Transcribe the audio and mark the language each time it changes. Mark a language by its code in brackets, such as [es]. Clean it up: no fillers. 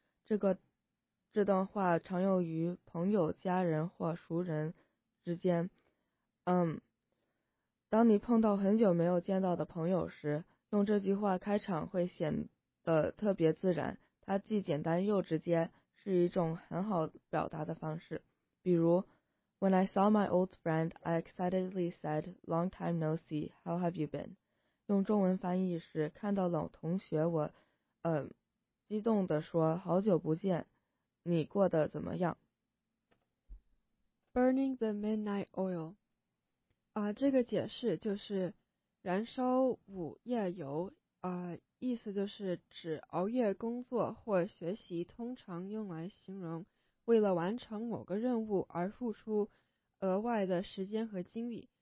[zh] 这段话常用于朋友、家人或熟人之间。当你碰到很久没有见到的朋友时，用这句话开场会显得特别自然，它既简单又直接，是一种很好表达的方式。 [en] 比如 When I saw my old friend, I excitedly said, Long time no see, how have you been? [zh] 用中文翻译时，看到老同学我激动地说，好久不见，你过得怎么样？ [en] Burning the midnight oil [zh] 这个解释就是燃烧午夜油意思就是指熬夜工作或学习，通常用来形容为了完成某个任务而付出额外的时间和精力。